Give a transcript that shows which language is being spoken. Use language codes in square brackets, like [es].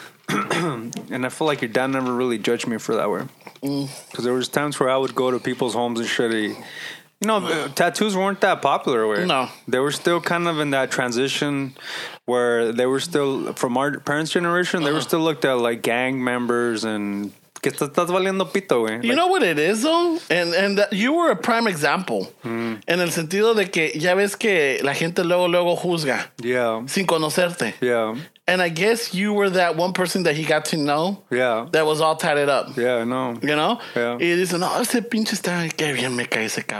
[en] And I feel like your dad never really judged me for that way. Because there was times where I would go to people's homes and shit. You know, tattoos weren't that popular. Where no. They were still kind of in that transition where they were still, from our parents' generation, they were still looked at like gang members and... [es] Que estás valiendo pito, güey. [en] You know what it is, though? And you were a prime example. [es] En el sentido de que ya ves que la gente luego juzga. [en] Yeah. [es] Sin conocerte. [en] Yeah. And I guess you were that one person that he got to know. Yeah. That was all tatted up. Yeah, I know. You know? Yeah. [es] Y dice, no, ese pinche está que bien me cae ese cabrón.